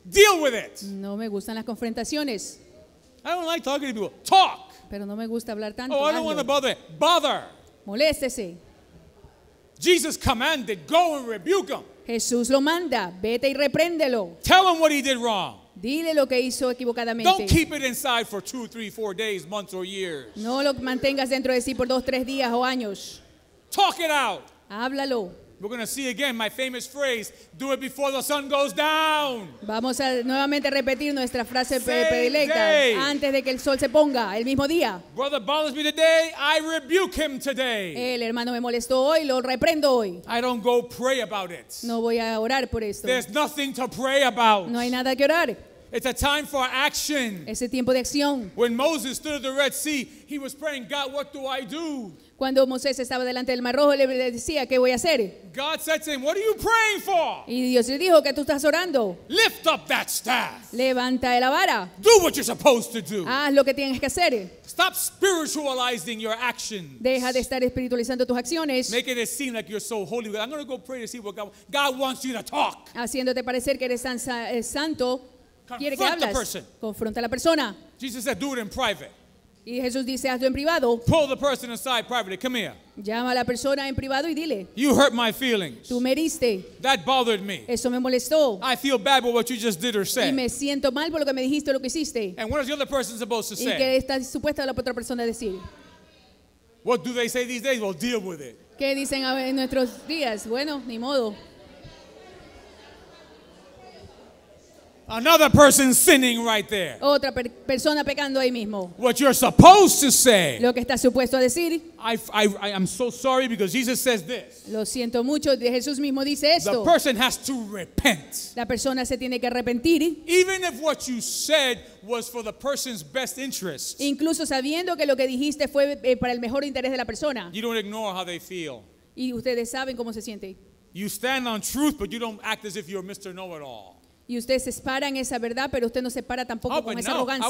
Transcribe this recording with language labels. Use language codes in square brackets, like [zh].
[en] Deal with it. [es] No me gustan las confrontaciones. [en] I don't like talking to people. Talk. [es] Pero no me gusta hablar tanto. [en] Oh, I don't want to bother. Bother. [es] Moléstese. [en] Jesus commanded, go and rebuke him. [es] Jesús lo manda. Vete y repréndelo. [en] Tell him what he did wrong. [es] Dile lo que hizo equivocadamente. [en] Don't keep it inside for 2, 3, 4 days, months, or years. [es] No lo mantengas dentro de sí por 2, 3 días o años. [en] Talk it out. [es] Háblalo. [en] We're going to see again my famous phrase, do it before the sun goes down. [es] Vamos a nuevamente repetir nuestra frase predilecta, antes de que el sol se ponga, el mismo día. [en] Brother bothers me today, I rebuke him today. [es] El hermano me molestó hoy, lo reprendo hoy. [en] I don't go pray about it. [es] No voy a orar por esto. [en] There's nothing to pray about. [es] No hay nada que orar. [en] It's a time for action. [es] Ese tiempo de acción. [en] When Moses stood at the Red Sea, he was praying, God, what do I do? [es] Cuando Moisés estaba delante del Mar Rojo, le decía, ¿qué voy a hacer? [en] God said to him, what are you praying for? [es] Y Dios le dijo, ¿qué tú estás orando? [en] Lift up that staff. [es] Levanta la vara. [en] Do what you're supposed to do. [es] Haz lo que tienes que hacer. [en] Stop spiritualizing your actions. [es] Deja de estar espiritualizando tus acciones. [en] Making it seem like you're so holy. I'm going to go pray to see what God wants you to talk. [es] Haciéndote parecer que eres tan santo. [en] Confront the person. [es] Confronta a la persona. [en] Jesus said, do it in private. [es] Y Jesús dice, hazlo en privado. [en] Pull the person aside privately. Come here. [es] Llama a la persona en privado y dile. [en] You hurt my feelings. [es] Tú me heriste. [en] That bothered me. [es] Eso me molestó. [en] I feel bad for what you just did or said. [es] Y me siento mal por lo que me dijiste o lo que hiciste. [en] And what is the other person supposed to say? [es] ¿Y qué está supuesta la otra persona a decir? [en] What do they say these days? Well, deal with it. [es] ¿Qué dicen en nuestros días? Bueno, ni modo. [en] Another person sinning right there. [es] Otra persona pecando ahí mismo. [en] What you're supposed to say. [es] Lo que está supuesto a decir. [en] I'm so sorry because Jesus says this. [es] Lo siento mucho, Jesús mismo dice esto. [en] The person has to repent. [es] La persona se tiene que arrepentir. [en] Even if what you said was for the person's best interest. [es] Incluso sabiendo que lo que dijiste fue para el mejor interés de la persona. [en] You don't ignore how they feel. [es] Y ustedes saben cómo se siente. [en] You stand on truth, but you don't act as if you're Mr. Know-it-all. [es] Y usted se para en esa verdad, pero usted no se para tampoco con esa arrogancia.